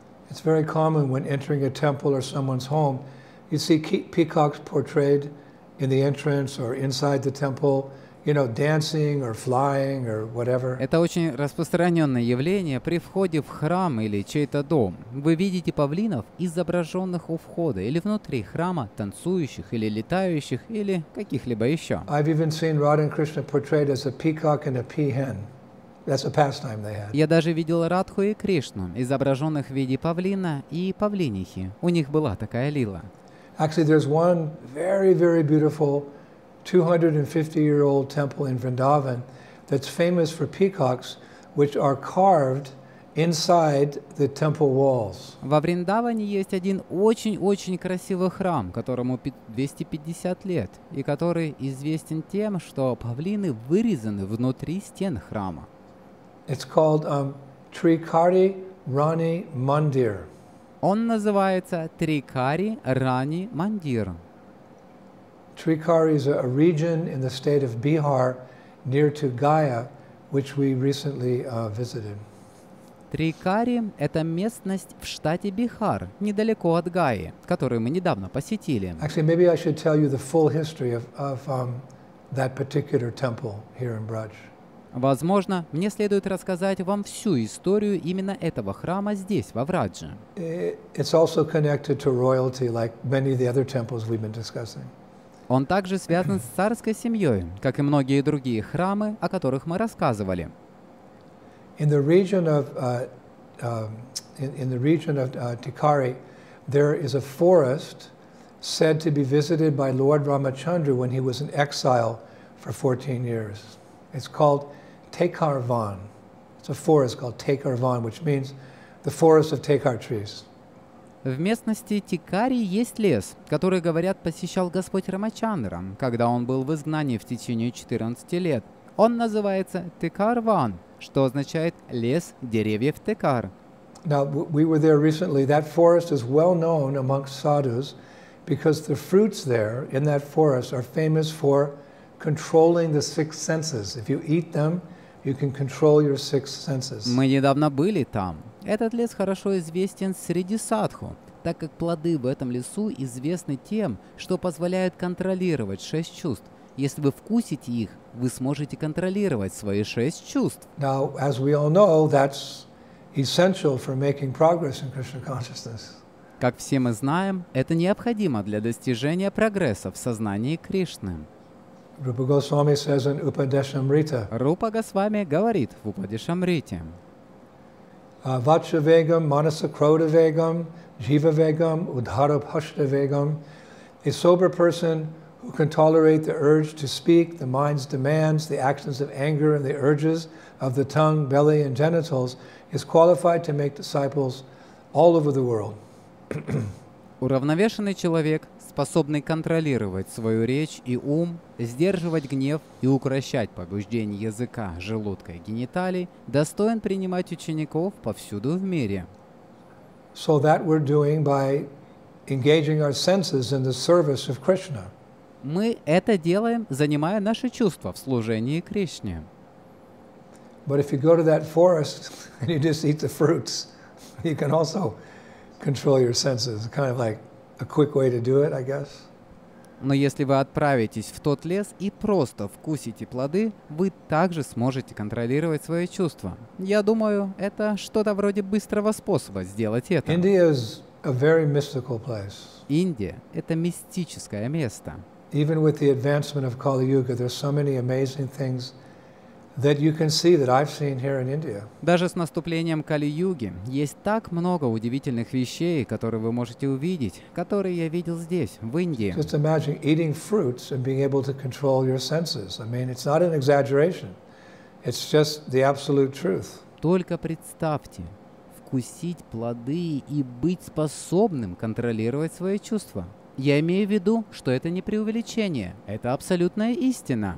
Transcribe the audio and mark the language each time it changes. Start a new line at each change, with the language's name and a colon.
English: It's very common when entering a temple or someone's home, you see peacocks portrayed in the entrance or inside the temple, you know, dancing or flying or whatever.
Russian: Это очень распространенное явление при входе в храм или чей-то дом. Вы видите павлинов, изображенных у входа или внутри храма, танцующих или летающих или каких-либо еще.
English: I've even seen Radha and Krishna portrayed as a peacock and a peahen. That's a pastime they had.
Russian: Я даже видел Радху и Кришну, изображенных в виде павлина и павлинихи. У них была такая лила.
English: Actually, there's one very, very beautiful 250-year-old temple in Vrindavan that's famous for peacocks, which are carved inside the temple walls.
Russian: Во Вриндаване есть один очень-очень красивый храм, которому 250 лет, и который известен тем, что павлины вырезаны внутри стен храма.
English: It's called Tikari Rani Mandir.
Russian: Он называется Tikari Rani Mandir.
English: Tikari is a region in the state of Bihar near to Gaya, which we recently visited.
Russian: Tikari – это местность в штате Бихар, недалеко от Гаи, которую мы недавно посетили.
English: Actually, maybe I should tell you the full history of that particular temple here in Braj.
Russian: Возможно, мне следует рассказать вам всю историю именно этого храма здесь, во Врадже.
English: It's also connected to royalty, like many of the other temples we've been discussing.
Russian: Он также связан с царской семьей, как и многие другие храмы, о которых мы рассказывали.
English: In the region of Tikari, there is a forest said to be visited by Lord Ramachandra when he was in exile for 14 years. It's called Tikarvan. It's a forest called Tikarvan, which means the forest of Tikar trees.
Russian: В местности Тикари есть лес, который, говорят, посещал Господь Рамачандра, когда он был в изгнании в течение 14 лет. Он называется Tikarvan, что означает лес деревьев Тикар.
English: Now, we were there recently. That forest is well known amongst sadhus because the fruits there in that forest are famous for controlling the six senses. If you eat them, you can control your six senses.
Russian: Мы недавно были там. Этот лес хорошо известен среди садху, так как плоды в этом лесу известны тем, что позволяют контролировать шесть чувств. Если вы вкусите их, вы сможете контролировать свои шесть чувств.
English: Now, as we all know, that's essential for making progress in Krishna consciousness.
Russian: Как все мы знаем, это необходимо для достижения прогресса в сознании Кришны.
English: Rupa Goswami says in Upadeshamrita.
Russian: Rupa Goswami говорит в Упадешамрите.
Sanskrit: Vachavegam, Manasakrodavegam, Jivavegam, Udharapashtavegam.
English: A sober person who can tolerate the urge to speak, the mind's demands, the actions of anger and the urges of the tongue, belly and genitals is qualified to make disciples all over the world.
Russian: Уравновешенный человек способный контролировать свою речь и ум, сдерживать гнев и укрощать побуждение языка, желудка и гениталий, достоин принимать учеников повсюду в мире.
English: So that we're doing by engaging our senses in the service of Krishna.
Russian: Мы это делаем, занимая наши чувства в служении Кришне.
English: But if you go to that forest and you just eat the fruits, you can also control your senses. Kind of like a quick way to do it, I guess.
Russian: Но если вы отправитесь в тот лес и просто вкусите плоды, вы также сможете контролировать свои чувства. Я думаю, это что-то вроде быстрого способа сделать это.
English: India is a very mystical place.
Russian: Индия — это мистическое место.
English: Even with the advancement of Kali Yuga, there's so many amazing things that you can see that I've seen here in India.
Russian: Даже с наступлением Кали-юги есть так много удивительных вещей, которые вы можете увидеть, которые я видел здесь, в Индии.
English: Just imagine eating fruits and being able to control your senses. I mean, it's not an exaggeration. It's just the absolute truth.
Russian: Только представьте, вкусить плоды и быть способным контролировать свои чувства. Я имею в виду, что это не преувеличение, это абсолютная истина.